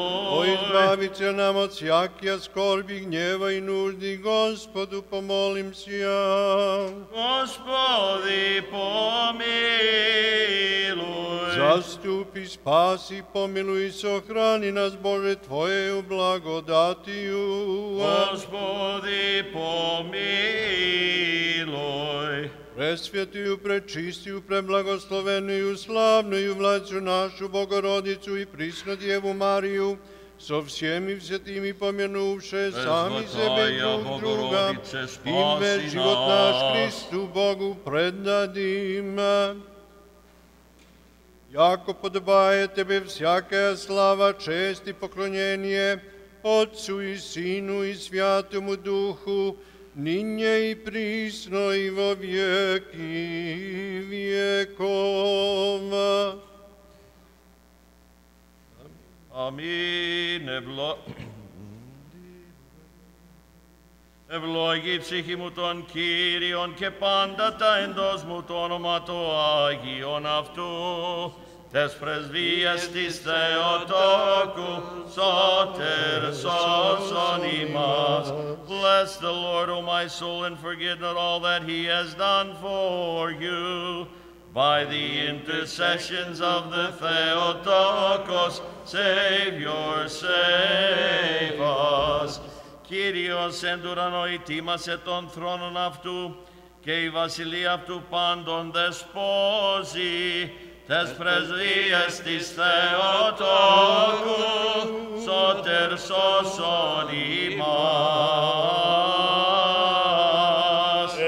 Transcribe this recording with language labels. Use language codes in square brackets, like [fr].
[cu] О избавиться нам от всякія скорбі, гнєва і нужди, Господу помолимся. Господи помилуй. Заступи, спаси, помилуй, сохрани нас, Боже, Твоєю благодатію. Господи помилуй. Пресвятую, пречистую, преблагословенную, славную владцю нашу Богородицу и Преснодеву Марию, со всеми святыми помянувши сами себе друг друга, им весь живот наш Христу Богу преддадим. Яко подобає тебе всякая слава, честь и поклонение Отцу и Сину и Святому Духу, ныне и присно и во веки веков. Аминь. [el] Ευλόγη ψυχή μου τον Κύριον και πάντα τα εντός μου το όνομα το Άγιον αυτού, τες πρεσβείες της Θεοτόκου, σώτερ σώσον ημάς. [en] Bless the Lord, O my soul, and forget not all that he has done for you. By the intercessions of the Θεοτόκος, Savior, save us. [el] Κύριος εν ουρανώ ετοίμασε τον θρόνον αυτού και η βασιλεία αυτού πάντων δεσπόζει τες πρεσβείες της Θεοτόκου σώτερ σώσον ημάς.